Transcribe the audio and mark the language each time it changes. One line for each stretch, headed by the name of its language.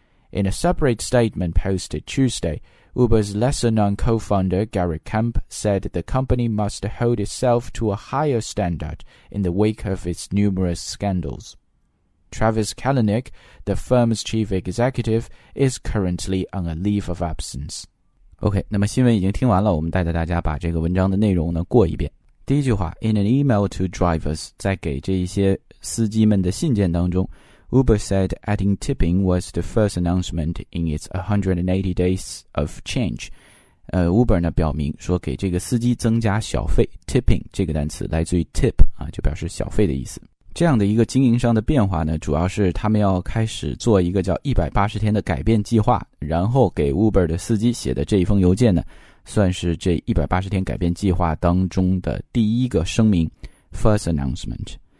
English: In a separate statement posted Tuesday, Uber's lesser-known co-founder Gary Kemp said the company must hold itself to a higher standard in the wake of its numerous scandals. Travis Kalanick, the firm's chief executive, is currently on a leave of absence.
Chinese: OK, 那么新闻已经听完了，我们带着大家把这个文章的内容呢过一遍。第一句话
English: ,In an email to drivers,
Chinese: 在给这一些司机们的信件当中，
English: Uber said adding tipping was the first announcement in its 180 days of change.
Chinese: Uber 呢表明说给这个司机增加小费 ,tipping 这个单词来自于 tip, 啊就表示小费的意思。这样的一个经营上的变化呢主要是他们要开始做一个叫180天的改变计划，然后给 Uber 的司机写的这一封邮件呢算是这180天改变计划当中的第一个声明 ,first announcement。